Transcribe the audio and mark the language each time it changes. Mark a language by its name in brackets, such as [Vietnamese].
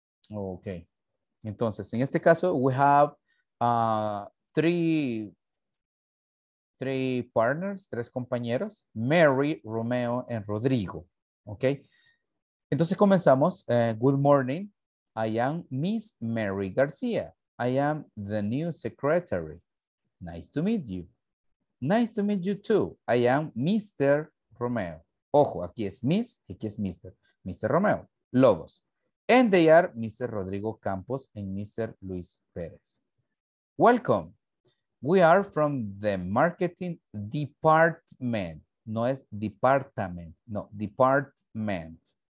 [Spanish] Ok. Entonces, en este caso, [English] we have [Spanish] tres compañeros, Mary, Romeo, y Rodrigo, ¿ok? Entonces comenzamos, [English] good morning, I am Miss Mary Garcia, I am the new secretary, nice to meet you, nice to meet you too, I am Mr. [Spanish] Romeo, ojo, aquí es Miss, aquí es Mr., Mr. [English] Romeo, Lobos, and they are Mr. Rodrigo Campos and Mr. Luis Pérez, Welcome. We are from the marketing department. [Spanish] No es department, no, department.